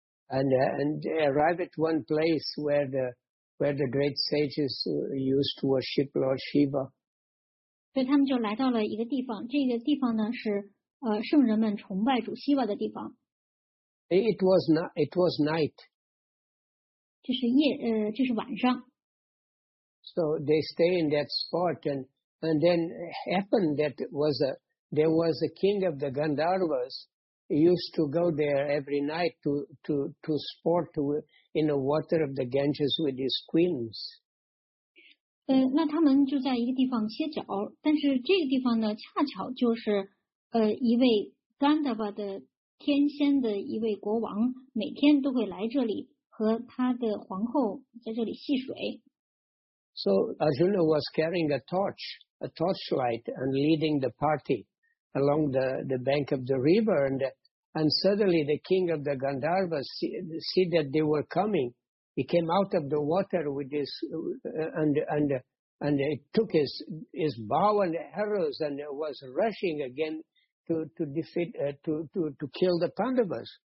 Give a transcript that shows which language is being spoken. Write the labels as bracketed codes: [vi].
[en] And they arrive at one place where the great sages used to worship Lord Shiva. [zh] 所以他们就来到了一个地方，这个地方呢是圣人们崇拜主希瓦的地方。 [en] It was night. [zh] 这是晚上。 [en] So they stay in that spot And then it happened that there was a king of the Gandharvas used to go there every night to sport in the water of the Ganges with his queens. [zh] 那他们就在一个地方歇脚，但是这个地方呢，恰巧就是一位 Gandharva 的天仙的一位国王，每天都会来这里和他的皇后在这里戏水。 [en] So Arjuna was carrying a torchlight and leading the party along the bank of the river and suddenly the king of the Gandharvas see that they were coming He came out of the water with his and it took his bow and arrows and was rushing again to kill the Pandavas.